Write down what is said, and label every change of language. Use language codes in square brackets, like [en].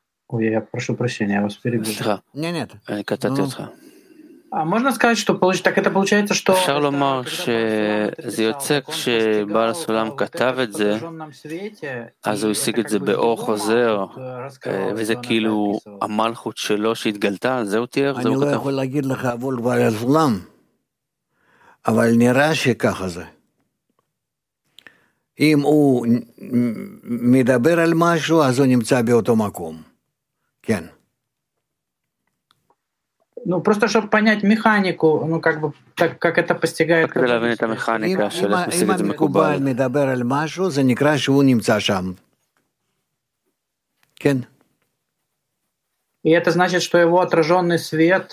[ru] Ой, я прошу прощения, я вас перебью. [he] סליחה. [ru] Нет. [he] קטעתי אותך. [ru] можно сказать, что получается, так это получается, что [he] אפשר לומר שזה יוצא כשבעל הסולם כתב את זה, אז הוא השיג את זה באור חוזר, וזה כאילו המלכות שלו שהתגלתה, זהו תיאר, זהו כתב. אני לא יכול להגיד לך, אבל בעל הסולם, אבל נראה שככה זה. אם הוא מדבר על משהו, אז הוא נמצא באותו מקום. כן. [ru] Ну просто чтобы понять механику, ну как бы так как это постигает какая-то механика, что это постигает Макубаль медабер алмашу, за некра шву немца шам. Кен. И это значит, что его отражённый свет